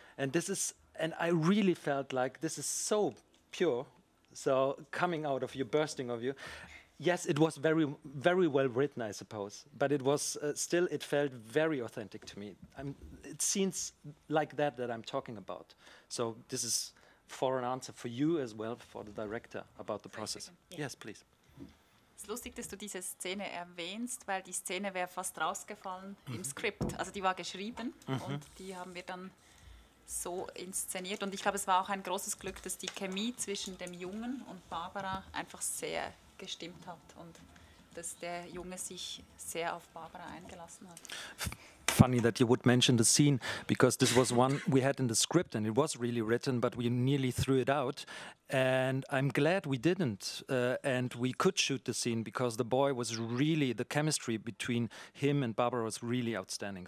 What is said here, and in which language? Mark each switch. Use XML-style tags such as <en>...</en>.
<en>And I really felt like this is so pure, so coming out of you, bursting of you. Yes, it was very, very well written, I suppose. But it was still, it felt very authentic to me. It seems like that that I'm talking about. So this is for an answer for you as well, for the director, about the process. Yeah. Yes, please.</en> <de>Es ist lustig, dass du diese Szene erwähnst, weil die Szene wäre fast rausgefallen im Skript. Also die war geschrieben und die haben wir dann so inszeniert. Und ich glaube, es war auch ein großes Glück, dass die Chemie zwischen dem Jungen und Barbara einfach sehr gestimmt hat und dass der Junge sich sehr auf Barbara eingelassen hat.</de> <en>Funny that you would mention the scene, because this was one we had in the script and it was really written, but we nearly threw it out. And I'm glad we didn't, and we could shoot the scene, because the boy was really, the chemistry between him and Barbara was really outstanding.</en>